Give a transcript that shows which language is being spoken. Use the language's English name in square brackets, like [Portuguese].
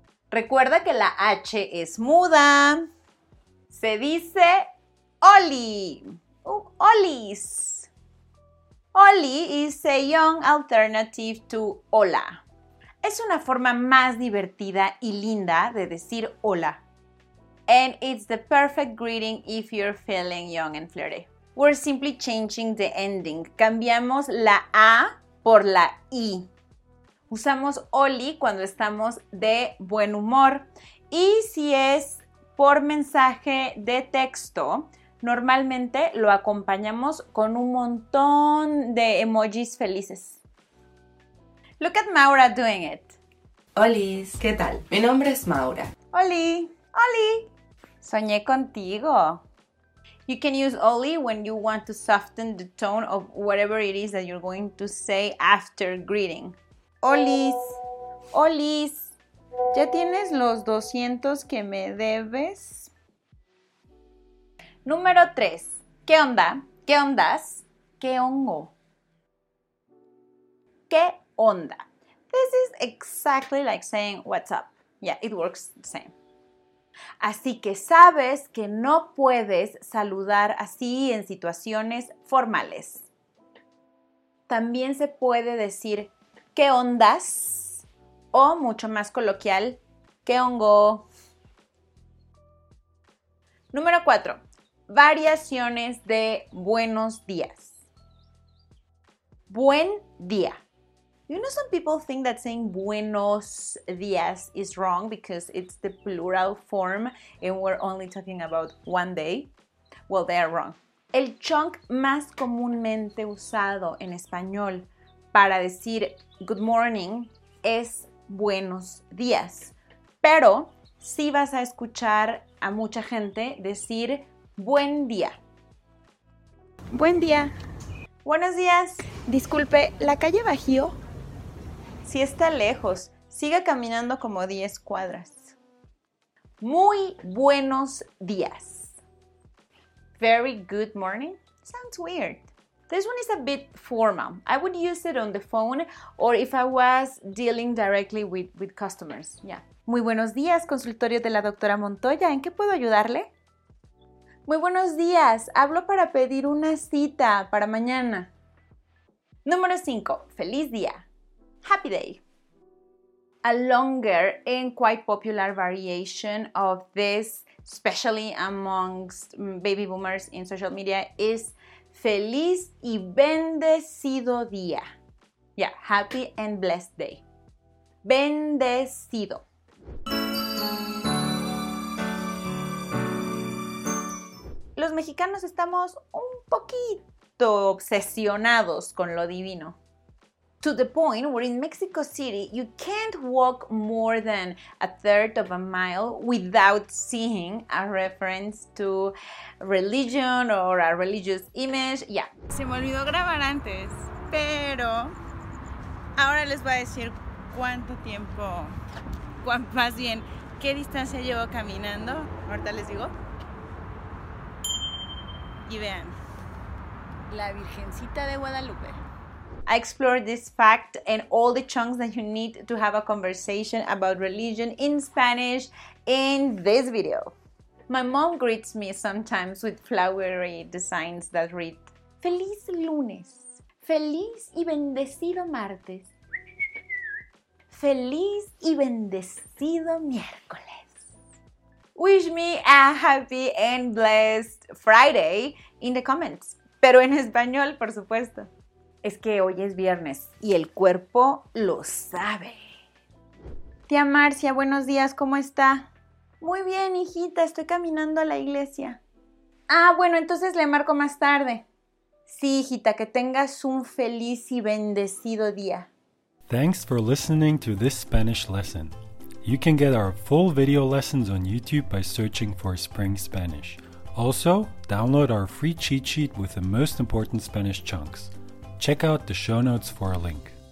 [Spanish] Recuerda que la H es muda. Se dice Oli. [English] Olis. Oli is a young alternative to hola. [Spanish] Es una forma más divertida y linda de decir hola. [English] And it's the perfect greeting if you're feeling young and flirty. We're simply changing the ending. [Spanish] Cambiamos la A por la I. Usamos Oli cuando estamos de buen humor. Y si es por mensaje de texto, normalmente lo acompañamos con un montón de emojis felices. [English] Look at Maura doing it. [Spanish] Olis, ¿qué tal? Mi nombre es Maura. Oli, Oli, soñé contigo. [English] You can use Oli when you want to soften the tone of whatever it is that you're going to say after greeting. [Spanish] Olis, Olis, ¿ya tienes los 200 que me debes? Número 3. ¿Qué onda? ¿Qué ondas? ¿Qué hongo? ¿Qué onda? [English] This is exactly like saying what's up. Yeah, it works the same. [Spanish] Así que sabes que no puedes saludar así en situaciones formales. También se puede decir, ¿qué ondas? o mucho más coloquial, ¿qué hongo? Número 4. Variaciones de buenos días. Buen día. [English] You know, some people think that saying buenos días is wrong because it's the plural form and we're only talking about one day. Well, they are wrong. [Spanish] El chunk más comúnmente usado en español para decir [English] good morning [Spanish] es buenos días. Pero sí vas a escuchar a mucha gente decir buen día. Buen día. Buenos días. Disculpe, ¿la calle Bajío? Sí, está lejos. Siga caminando como 10 cuadras. Muy buenos días. [English] Very good morning. Sounds weird. This one is a bit formal. I would use it on the phone or if I was dealing directly with customers. Yeah. [Spanish] Muy buenos días, consultorio de la doctora Montoya. ¿En qué puedo ayudarle? Muy buenos días. Hablo para pedir una cita para mañana. [English] Número 5. [Spanish] Feliz día. [English] Happy day. A longer and quite popular variation of this, especially amongst baby boomers in social media, is [Spanish] feliz y bendecido día. [English] Yeah, happy and blessed day. Bendecido. [Spanish] Los mexicanos estamos un poquito obsesionados con lo divino. [English] To the point where in Mexico City, you can't walk more than a third of a mile without seeing a reference to religion or a religious image. Yeah. [Spanish] Se me olvidó grabar antes, pero ahora les voy a decir cuánto tiempo, más bien, qué distancia llevo caminando. Ahorita les digo. Y vean, la Virgencita de Guadalupe. [English] I explored this fact and all the chunks that you need to have a conversation about religion in Spanish in this video. My mom greets me sometimes with flowery designs that read, [Spanish] Feliz lunes. Feliz y bendecido martes. Feliz y bendecido miércoles. [English] Wish me a happy and blessed Friday in the comments. [Spanish] Pero en español, por supuesto. Es que hoy es viernes y el cuerpo lo sabe. Tía Marcia, buenos días, ¿cómo está? Muy bien, hijita, estoy caminando a la iglesia. Ah, bueno, entonces le marco más tarde. Sí, hijita, que tengas un feliz y bendecido día. [English] Thanks for listening to this Spanish lesson. You can get our full video lessons on YouTube by searching for Spring Spanish. Also, download our free cheat sheet with the most important Spanish chunks. Check out the show notes for a link.